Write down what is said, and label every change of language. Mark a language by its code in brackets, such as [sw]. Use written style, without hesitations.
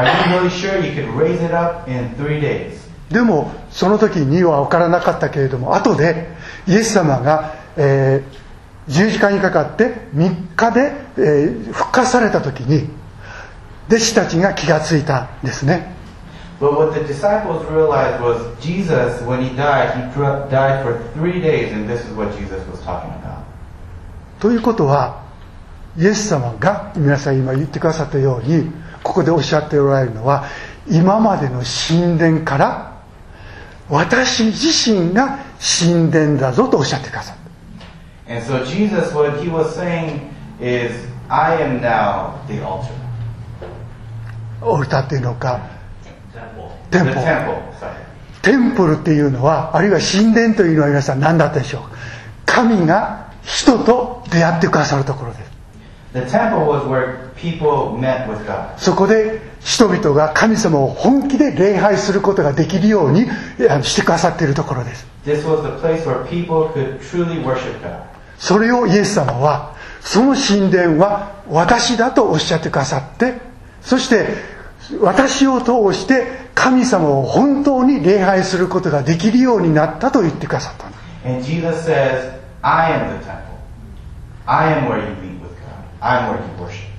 [ja] でもその時には分からなかったけれども後でイエス様が、十字架にかかって3日で、復活された時に弟子たちが気がついたんですね。 [en] But what the disciples realized was Jesus, when he died, he died for three days, and this is what Jesus was talking about. [ja] ということは、イエス様が皆さん今言ってくださったように、ここでおっしゃっておられるのは、今までの神殿から私自身が神殿だぞとおっしゃってくださった。 [en] And so Jesus, what he was saying is, I am now the altar. [ja] オルタっていうのか。テンポ、テンポルっていうのはあるいは神殿というのは皆さん何だったでしょう。神が人と出会ってくださるところです。 [en] The temple was where people met with God. [ja] そこで人々が神様を本気で礼拝することができるようにしてくださっているところです。 [en] This was the place where people could truly worship God. [ja] それをイエス様はその神殿は私だとおっしゃってくださって、そして私を通して神様を本当に礼拝することができるようになったと言ってくださった。 [en] And Jesus says, I am the temple. I am where you meet with God. I am where you worship.